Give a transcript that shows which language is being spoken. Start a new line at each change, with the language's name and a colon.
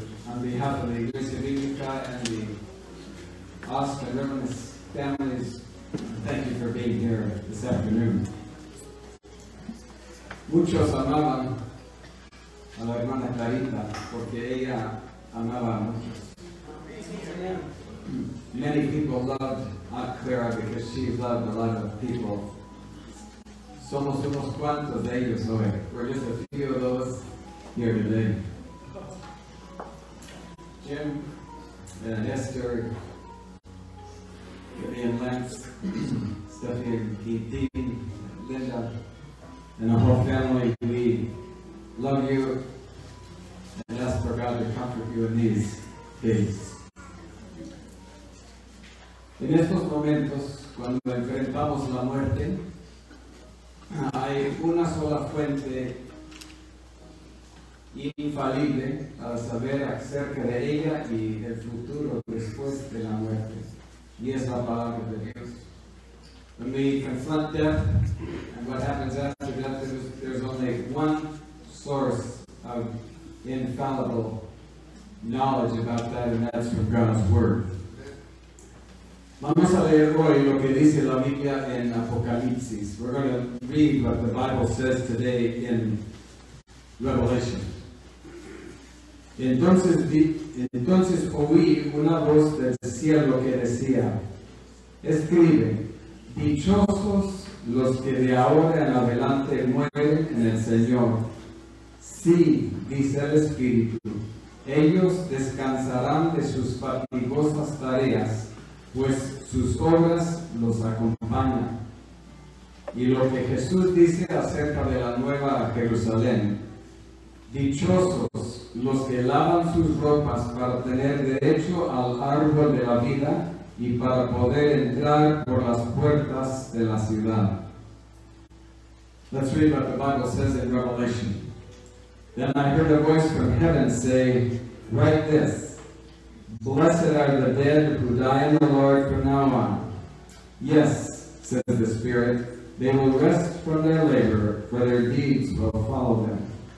English: On behalf of the iglesia bíblica and the Haas Jóvenes families, thank you for being here this afternoon.
Spanish: Muchos amaban a la hermana Clarita porque ella amaba a muchos.
English: Many people loved Aunt Clara because she loved a lot of people.
Spanish: Somos unos cuantos de ellos hoy.
English: We're just a few of those here today. Jim and Esther, Vivian, Lance, Stephanie, Dean, Linda, and the whole family, we love you and ask for God to comfort you in these days.
Spanish: En estos momentos, cuando enfrentamos la muerte, hay una sola fuente infalible para saber acerca de ella y del futuro después de la muerte, y es la palabra de Dios.
English: When we confront death and what happens after death, there's only one source of infallible knowledge about that, and that's from God's Word.
Spanish: Vamos a leer hoy lo que dice la Biblia en Apocalipsis.
English: We're going to read what the Bible says today in Revelation.
Spanish: Entonces oí una voz del cielo que decía, escribe, dichosos los que de ahora en adelante mueren en el Señor. Sí, dice el Espíritu, ellos descansarán de sus fatigosas tareas, pues sus obras los acompañan. Y lo que Jesús dice acerca de la nueva Jerusalén, dichosos los que lavan sus ropas para tener derecho al árbol de la vida y para poder entrar por las puertas de la ciudad.
English: Let's read what the Bible says in Revelation. Then I heard a voice from heaven say, write this. Blessed are the dead who die in the Lord from now on. Yes, says the Spirit, they will rest from their labor, for their deeds will follow them.